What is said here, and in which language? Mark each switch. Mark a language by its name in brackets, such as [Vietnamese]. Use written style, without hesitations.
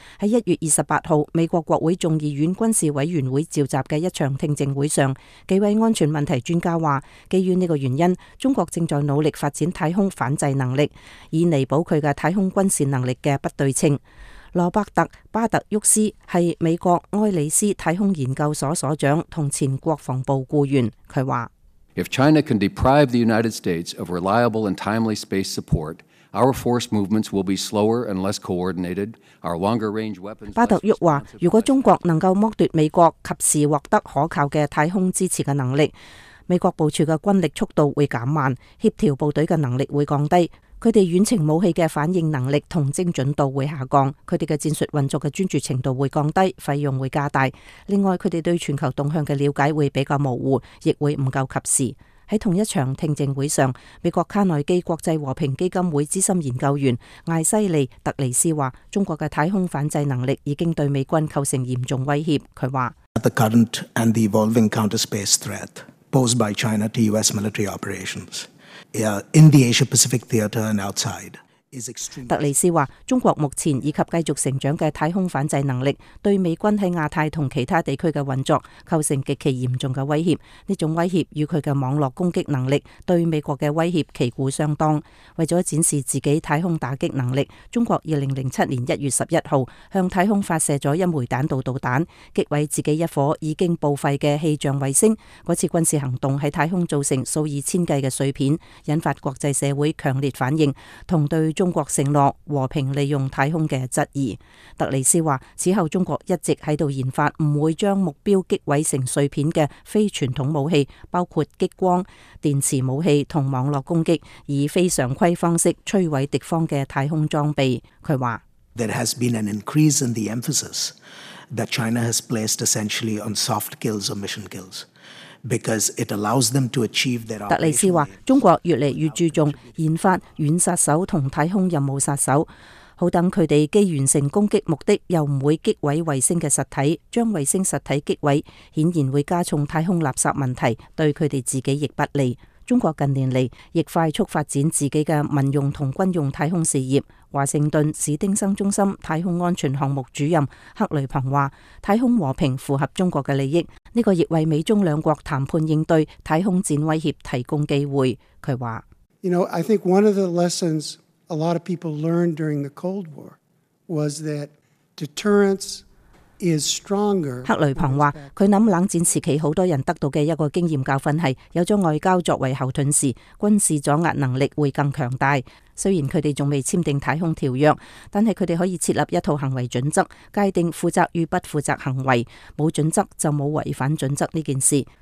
[Chinese] 在1月28日美国国会众议院军事委员会召集的一场听证会上，几位安全问题专家说，基于这个原因，中国正在努力发展太空反制能力，以弥补它的太空军事能力的不对称。罗伯特·巴特沃斯是美国埃里斯太空研究所所长和前国防部雇员，他说， [English] If China can deprive the United States of reliable and timely space support, our force movements will be slower and less coordinated. Our longer range weapons. [Chinese] 巴特沃说，如果中国能够剥夺美国及时获得可靠的太空支持的能力，美国部署的军力速度会减慢，协调部队的能力会降低，他们远程武器的反应能力和精准度会下降，他们的战术运作的专注程度会降低，费用会加大。另外，他们对全球动向的了解会比较模糊，亦会不够及时。在同一场听证会上，美国卡内基国际和平基金会资深研究员艾西利·特尼斯说，中国的太空反制能力已经对美军构成严重威胁。他说 [English] The current and the evolving counter-space threat posed by China to US military operations in the Asia-Pacific theater and outside. [Chinese] 特尼斯说，中国目前以及继续成长的太空反制能力对美军在亚太和其他地区的运作构成极其严重的威胁，这种威胁与他的网络攻击能力对美国的威胁旗鼓相当。为了展示自己太空打击能力，中国2007年1月11号向太空发射了一枚弹道导弹，击毁自己一颗已经报废的气象卫星。那次军事行动在太空造成数以千计的碎片，引发国际社会强烈反应和对中国承诺和平利用太空的质疑。特尼斯说，此后中国一直在研发不会将目标击毁成碎片的非传统武器，包括激光、电磁武器和网络攻击，以非常规方式摧毁敌方的太空装备。他说 [English] There has been an increase in the emphasis that China has placed essentially on soft kills or mission kills. Because it allows them to achieve their operational needs. [Chinese] 特尼斯说，中国越来越注重研发远杀手和太空任务杀手，好等他们既完成攻击目的又不会击毁卫星的实体，将卫星实体击毁显然会加重太空垃圾问题，对他们自己亦不利。中国近年来亦快速发展自己的民用和军用太空事业。华盛顿史丁生中心太空安全项目主任克雷鹏说，太空和平符合中国的利益，这个亦为美中两国谈判应对太空战威胁提供机会。他说 [English] You know, I think one of the lessons a lot of people learned during the Cold War was that deterrence is stronger. [Chinese] 克雷鹏说，他想冷战时期很多人得到的一个经验教训是，有了外交作为后盾时，军事阻压能力会更强大。虽然他们还未签订太空条约，但是他们可以设立一套行为准则，界定负责与不负责行为，没有准则就没有违反准则这件事。